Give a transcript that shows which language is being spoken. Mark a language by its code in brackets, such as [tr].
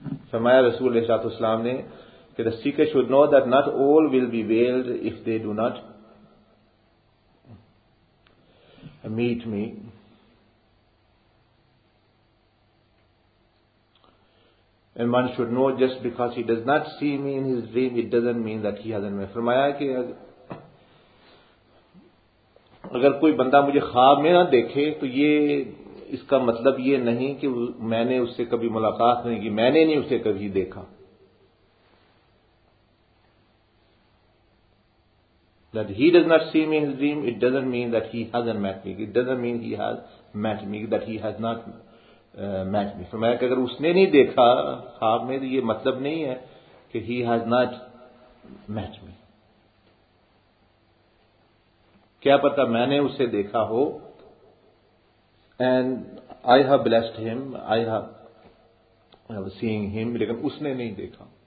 [ur] فرمایا رسول صلی اللہ علیہ وسلم نے کہ [en] the seeker should know that not all will be veiled if they do not meet me. And one should know just because he does not see me in his dream, it doesn't mean that he hasn't met. [ur] فرمایا کہ اگر کوئی بندہ مجھے خواب میں نہ دیکھے تو یہ اس کا مطلب یہ نہیں کہ میں نے اس سے کبھی ملاقات نہیں کی, میں نے نہیں اسے کبھی دیکھا. [en] That he does not see me in his dream, it doesn't mean that he hasn't met me. It doesn't mean he has met me, that he has not met me. [ur] فرمایا کہ اگر اس نے نہیں دیکھا خواب میں تو یہ مطلب نہیں ہے کہ [en] he has not met me. [ur] کیا پتا میں نے اسے دیکھا ہو. [en] and I have blessed him, I have seen him, [ur] لیکن اس نے نہیں دیکھا.